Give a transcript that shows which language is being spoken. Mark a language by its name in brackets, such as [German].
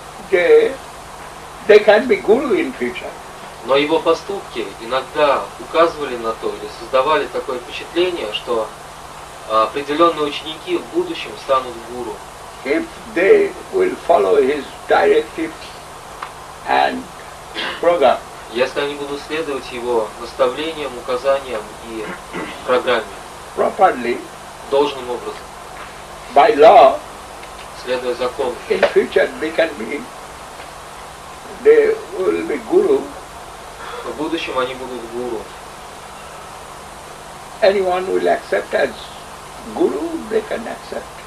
[English] They can be guru in future. [Russian] Но его поступки иногда указывали на то или создавали такое впечатление, что определенные ученики в будущем станут гуру. [English] If they will follow his directives and program. [Russian] Если они будут следовать его наставлениям, указаниям и программе. [English] Properly. [Russian] Должным образом. [English] By law. [Russian] Следуя закону. [English] In future they can be. They will be guru. [Russian] В будущем они будут гуру. [English] Anyone will accept as guru, they can accept.